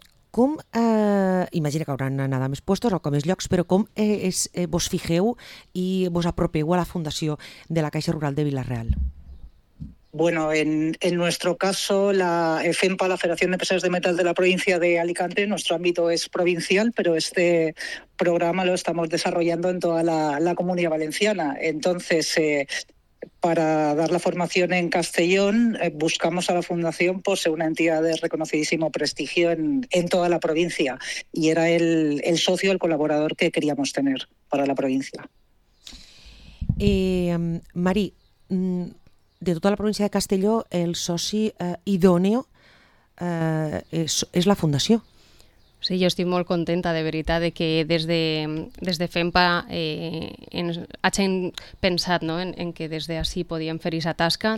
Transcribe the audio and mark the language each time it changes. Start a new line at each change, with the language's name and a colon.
Catalan: Com, imagina que hauran anat a més puestos o a més llocs, però com vos fijeu i vos apropeu a la Fundació de la Caixa Rural de Vila-real?
Spanish: Bueno, en nuestro caso, la FEMPA, la Federación de Empresarios de Metal de la provincia de Alicante, nuestro ámbito es provincial, pero este programa lo estamos desarrollando en toda la comunidad valenciana. Entonces, para dar la formación en Castellón, buscamos a la Fundación por ser una entidad de reconocidísimo prestigio en toda la provincia. Y era el socio, el colaborador que queríamos tener para la provincia.
Catalan: Mari, de toda la provincia de Castelló, el soci idóneo és la Fundació. Sí, jo estic molt contenta, de veritat, de que des de FEMPA hagin pensat, no?, en que des d'ací podíem fer aquesta tasca.